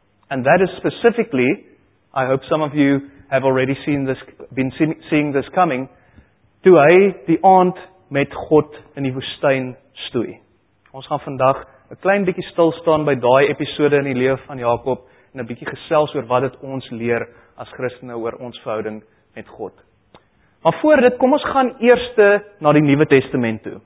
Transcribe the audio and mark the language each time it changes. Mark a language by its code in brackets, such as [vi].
[en] And that is specifically, I hope some of you have already seeing this coming, [af] toe hy die aand met God in die woestyn stoei. Ons gaan vandag 'n klein bietjie stil staan by daai episode in die lewe van Jakob, en 'n bietjie gesels oor wat dit ons leer as Christene oor ons verhouding met God. Maar voor dit, kom ons gaan eerste na die Nuwe Testament toe.